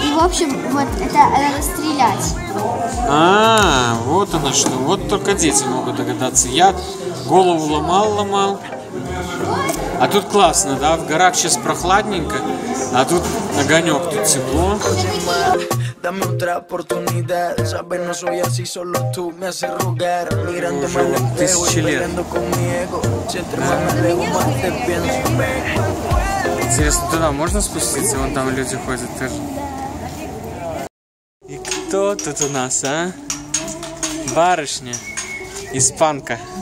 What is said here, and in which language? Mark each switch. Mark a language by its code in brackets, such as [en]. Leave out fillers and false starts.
[ru] В общем, вот это надо стрелять. А, вот оно что. Вот только дети могут догадаться. Я голову ломал. А тут классно, да? В горах сейчас прохладненько, а тут огонек, тут тепло. [es] Dame otra oportunidad, sabes no soy así, solo tú me haces rogar. Mirando mal el espejo, peleando con mi ego. Siento más me alejo, más te pienso. [ru] Интересно, туда можно спуститься? Вон там люди ходят тоже. И кто тут у нас, а? Барышня. Испанка.